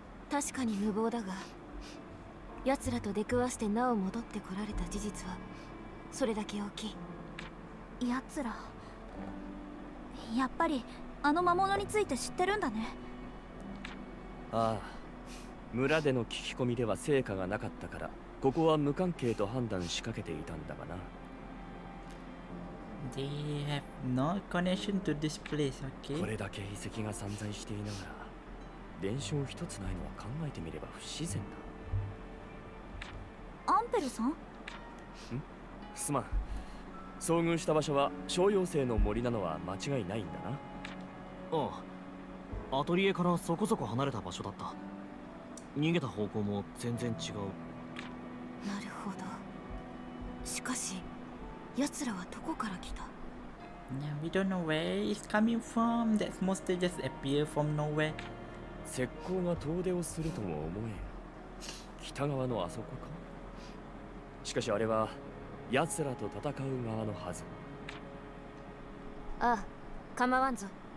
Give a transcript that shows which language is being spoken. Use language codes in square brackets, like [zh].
[ja] 確かに無謀だが、奴らと出くわしてなお戻ってこられた事実はそれだけ大きい。やつら、やっぱりあの魔物について知ってるんだね。ああ、村での聞き込みでは成果がなかったから、ここは無関係と判断しかけていたんだがな。 [en] They have no connection to this place, okay? [ja] これだけ遺跡が散在していながら伝承一つないのは考えてみれば不自然だ。アンペルさん？ん？すまん、遭遇した場所は小妖精の森なのは間違いないんだな。ああ、アトリエからそこそこ離れた場所だった。逃げた方向も全然違う。なるほど。しかし奴らはどこから来た？ [en] Now, we don't know where it's coming from. That's mostly just appear from nowhere. [ja] 石膏が遠出をするとも思えん。北側のあそこか。しかしあれは奴らと戦う側のはず。ああ、構わんぞ。ん？